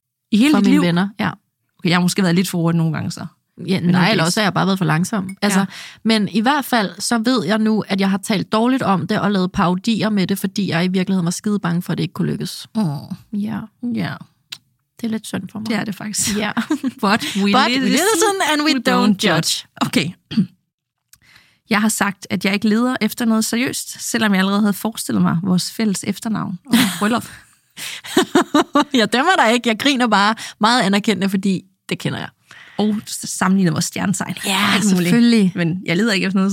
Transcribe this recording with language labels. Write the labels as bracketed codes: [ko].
[da] I hele for dit mine liv? Venner, ja. Okay, jeg har måske været lidt for hurtigt nogle gange, så. Ja, nej, eller også har jeg bare været for langsom. Altså, ja. Men i hvert fald, så ved jeg nu, at jeg har talt dårligt om det og lavet parodier med det, fordi jeg i virkeligheden var skide bange for, at det ikke kunne lykkes. Oh. Ja. Ja. Det er lidt synd for mig. Det er det faktisk. Ja. [en] But we listen and we don't judge. [da] Okay. Jeg har sagt, at jeg ikke leder efter noget seriøst, selvom jeg allerede havde forestillet mig vores fælles efternavn og bryllup. Jeg dømmer dig ikke. Jeg griner bare meget anerkendende, fordi det kender jeg. Og sammenligner vores stjernetegn. Ja, selvfølgelig. Men jeg leder ikke efter noget.